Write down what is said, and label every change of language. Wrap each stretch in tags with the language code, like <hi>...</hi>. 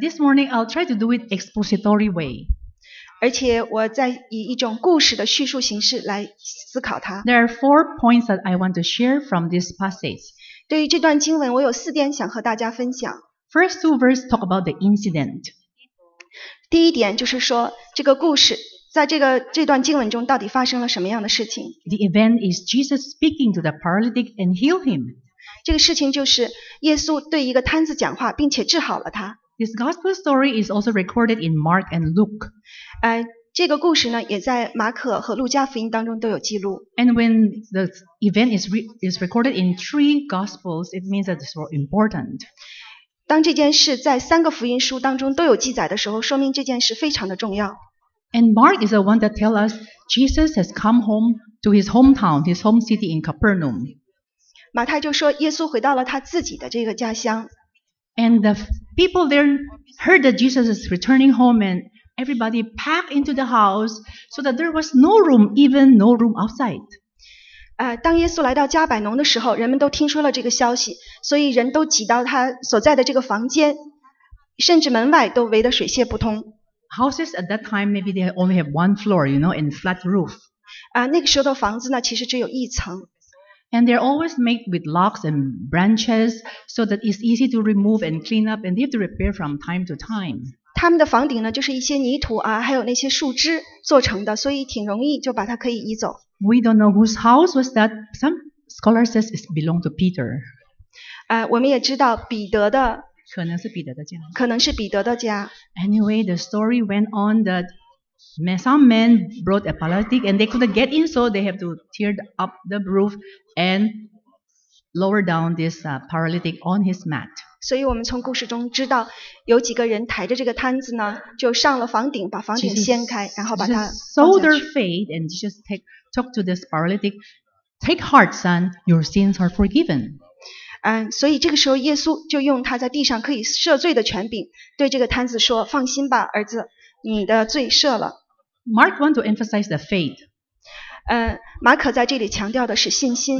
<en>this morning I'll try to do it expository way.</en> <zh>而且我在以一种故事的叙述形式来思考它。</zh> <en>There are 4 points that I want to share from this passage.</en> <zh>对于这段经文，我有4点想和大家分享。</zh> <en>First two verses talk about the incident.</en> <zh>第一点就是说这个故事在这段经文中到底发生了什么样的事情。</zh> <en>The event is Jesus speaking to the paralytic and heal him.</en> <zh>这个事情就是耶稣对一个瘫子讲话并且治好了他。</zh> <en>This gospel story is also recorded in Mark and Luke.</en> <zh>这个故事呢也在马可和路加福音当中都有记录。</zh> <en>And when the event is recorded in three gospels, it means that it's very important.</en> <zh>当这件事在三个福音书当中都有记载的时候，说明这件事非常的重要。</zh> <en>And Mark is the one that tells us Jesus has come home to his hometown, his home city in Capernaum.</en> <zh>马太就说耶稣回到了他自己的这个家乡。</zh> <en>And the people there heard that Jesus is returning home and everybody packed into the house so that there was no room, even no room outside.</en> <zh>当耶稣来到加百农的时候，人们都听说了这个消息，所以人都挤到他所在的这个房间，甚至门外都围得水泄不通。</zh> <en>Houses at that time maybe they only have one floor, you know, and flat roof.</en> <zh>那个时候的房子呢，其实只有一层。</zh> <en>And they're always made with logs and branches so that it's easy to remove and clean up and they have to repair from time to time.</en> <zh>他们的房顶呢，就是一些泥土啊，还有那些树枝做成的，所以挺容易就把它可以移走。</zh> <en>We don't know whose house was that. Some scholars says it belonged to Peter.</en> <zh>我们也知道彼得的。可能是彼得的家。可能是彼得的家。</zh> <en>Anyway, the story went on that some men brought a paralytic and they couldn't get in, so they have to tear up the roof and lower down this paralytic on his mat.</en> <zh>所以我们从故事中知道，有几个人抬着这个摊子呢，就上了房顶，把房顶掀开，</zh> <en>Jesus,</en> <zh>然后把它放下去。</zh> <en>Jesus sold their faith and just talk to this paralytic. Take heart, son, your sins are forgiven.</en> <zh>所以这个时候耶稣就用他在地上可以赦罪的权柄，对这个摊子说：“放心吧，儿子。” 你的罪赦了。</zh> <en>Mark wants to emphasize the faith.</en> <zh>马可在这里强调的是信心。</zh>